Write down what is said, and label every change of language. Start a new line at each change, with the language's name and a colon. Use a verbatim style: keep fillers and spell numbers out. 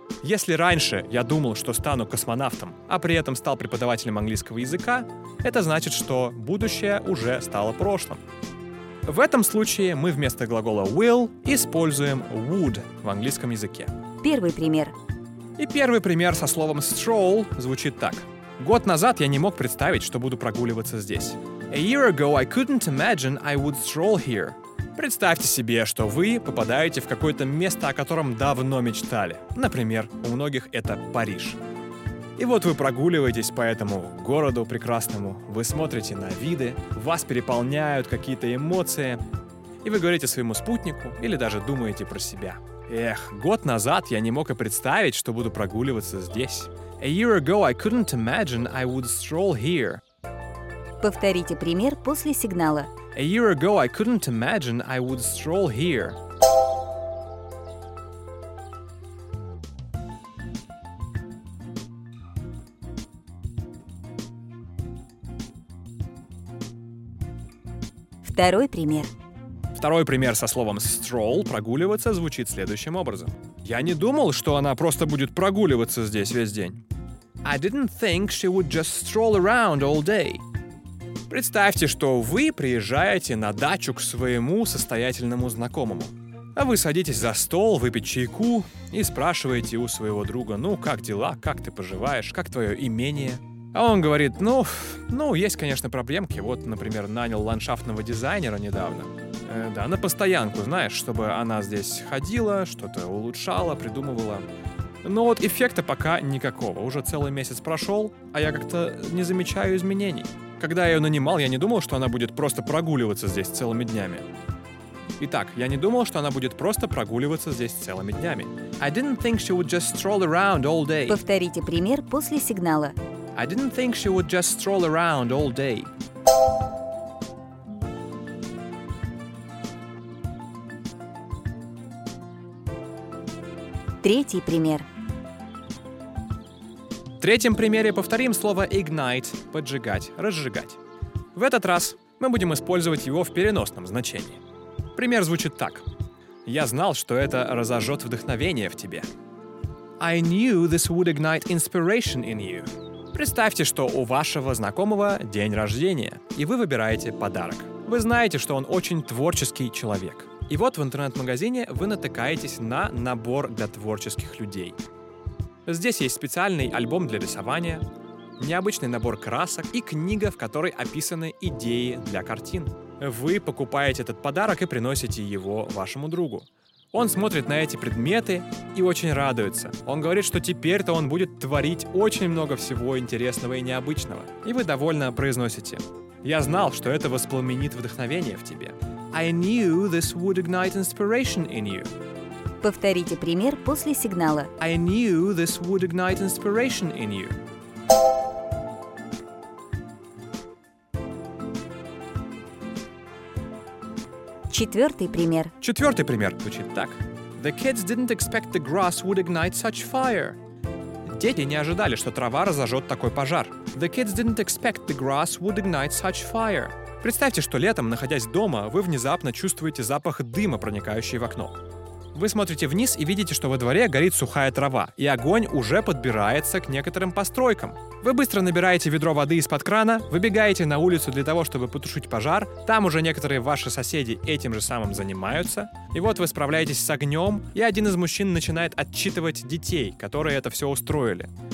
Russian: Если раньше я думал, что стану космонавтом, а при этом стал преподавателем английского языка, это значит, что будущее уже стало прошлым. В этом случае мы вместо глагола «will» используем «would» в английском языке. Первый пример. И первый пример со словом «stroll» звучит так. Год назад я не мог представить, что буду прогуливаться здесь.
English: A year ago I couldn't imagine I would stroll here.
Russian: Представьте себе, что вы попадаете в какое-то место, о котором давно мечтали. Например, у многих это Париж. И вот вы прогуливаетесь по этому городу прекрасному, вы смотрите на виды, вас переполняют какие-то эмоции, и вы говорите своему спутнику или даже думаете про себя: «Эх, год назад я не мог и представить, что буду прогуливаться здесь.
English: A year ago I couldn't imagine I would stroll here».
Russian: Повторите пример после сигнала.
English: A year ago I couldn't imagine I would stroll here.
Russian: Второй пример. Второй пример со словом «stroll» — «прогуливаться» звучит следующим образом. Я не думал, что она просто будет прогуливаться здесь весь день.
English: I didn't think she would just stroll around all day.
Russian: Представьте, что вы приезжаете на дачу к своему состоятельному знакомому. А вы садитесь за стол, выпить чайку и спрашиваете у своего друга: «Ну, как дела? Как ты поживаешь? Как твое имение?» А он говорит, ну, ну, есть, конечно, проблемки. Вот, например, нанял ландшафтного дизайнера недавно. Э, да, на постоянку, знаешь, чтобы она здесь ходила, что-то улучшала, придумывала. Но вот эффекта пока никакого. Уже целый месяц прошел, а я как-то не замечаю изменений. Когда я ее нанимал, я не думал, что она будет просто прогуливаться здесь целыми днями. Итак, я не думал, что она будет просто прогуливаться здесь целыми днями.
English: I didn't think she would just stroll around all day.
Russian: Повторите пример после сигнала.
English: I didn't think she would just stroll around all day.
Russian: Третий пример. В третьем примере повторим слово ignite – поджигать, разжигать. В этот раз мы будем использовать его в переносном значении. Пример звучит так. Я знал, что это разожжет вдохновение в тебе.
English: I knew this would ignite inspiration in you.
Russian: Представьте, что у вашего знакомого день рождения, и вы выбираете подарок. Вы знаете, что он очень творческий человек. И вот в интернет-магазине вы натыкаетесь на набор для творческих людей. Здесь есть специальный альбом для рисования, необычный набор красок и книга, в которой описаны идеи для картин. Вы покупаете этот подарок и приносите его вашему другу. Он смотрит на эти предметы и очень радуется. Он говорит, что теперь-то он будет творить очень много всего интересного и необычного. И вы довольно произносите: «Я знал, что это воспламенит вдохновение в тебе».
English: I knew this would ignite inspiration in you.
Russian: Повторите пример после сигнала.
English: I knew this would ignite inspiration in you.
Russian: Четвертый пример. Четвертый пример звучит так.
English: The kids didn't expect the grass would ignite such fire.
Russian: Дети не ожидали, что трава разожжет такой пожар.
English: The kids didn't expect the grass would ignite such fire.
Russian: Представьте, что летом, находясь дома, вы внезапно чувствуете запах дыма, проникающий в окно. Вы смотрите вниз и видите, что во дворе горит сухая трава, и огонь уже подбирается к некоторым постройкам. Вы быстро набираете ведро воды из-под крана, выбегаете на улицу для того, чтобы потушить пожар, там уже некоторые ваши соседи этим же самым занимаются, и вот вы справляетесь с огнем, и один из мужчин начинает отчитывать детей, которые это все устроили.